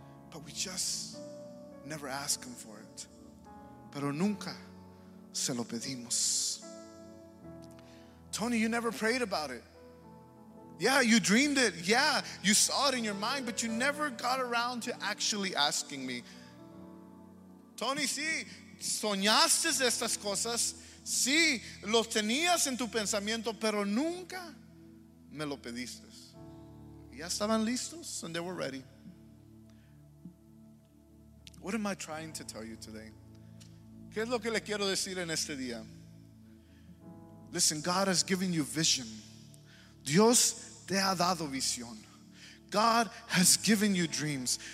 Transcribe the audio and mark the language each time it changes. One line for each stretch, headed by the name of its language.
English: But we just never ask Him for it.
Spanish: Pero nunca se lo pedimos.
English: Tony, you never prayed about it. Yeah, you dreamed it. Yeah, you saw it in your mind, but you never got around to actually asking me.
Spanish: Tony, sí, soñaste estas cosas. Sí, los tenías en tu pensamiento, pero nunca me lo pediste. Ya estaban listos
English: and they were ready. What am I trying to tell you today?
Spanish: ¿Qué es lo que le quiero decir en este día?
English: Listen, God has given you vision.
Spanish: Dios te ha dado visión.
English: God has given you dreams.